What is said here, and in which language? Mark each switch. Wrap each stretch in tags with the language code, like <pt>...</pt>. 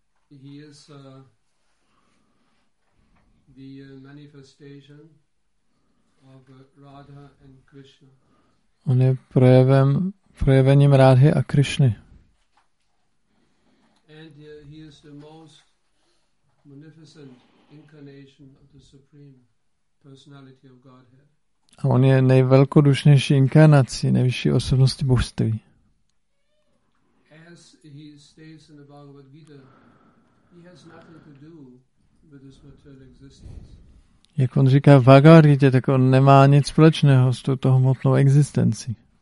<en>He is the manifestation of Radha and Krishna.</en> <cs>On je projevením Rádhy a Krišny.</cs> <en>And he is the most magnificent incarnation of the Supreme Personality of Godhead.</en> <cs>A on je nejvelkodušnější inkarnací, nejvyšší osobnosti božství.</cs> <en>As he states in the Bhagavad Gita, he has nothing to do with this material existence.</en> <cs>Jak on říká v Bhagavad Gita, tak on nemá nic společného s touto hmotnou existencí.</cs>